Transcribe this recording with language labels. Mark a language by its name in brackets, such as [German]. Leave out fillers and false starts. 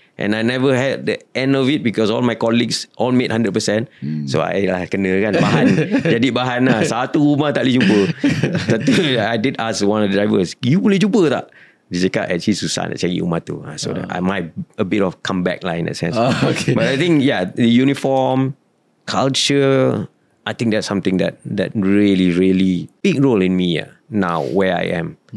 [English] And I never had the end of it because all my colleagues all made 100%. [Malay] So I lah kena kan, bahan. Jadi bahan lah, satu rumah tak boleh jumpa. Tapi I did ask one of the drivers, you boleh jumpa tak? Dia cakap actually susah nak cari rumah tu. [English] So I might a bit of comeback lah in that sense. But I think yeah, the uniform, culture, I think that's something that really, really big role in me now where I am.